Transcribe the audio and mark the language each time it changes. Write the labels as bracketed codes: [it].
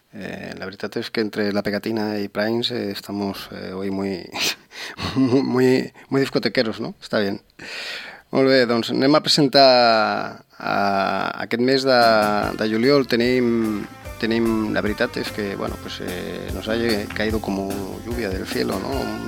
[ca] La veritat és que entre la pegatina i Primes [es] estamos hoy muy, muy, muy discotequeros, no? [ca] Està bé. Molt bé, doncs anem a presentar aquest mes de juliol. Tenim, la veritat és que, [es] bueno, pues nos ha caído como lluvia del cielo, no?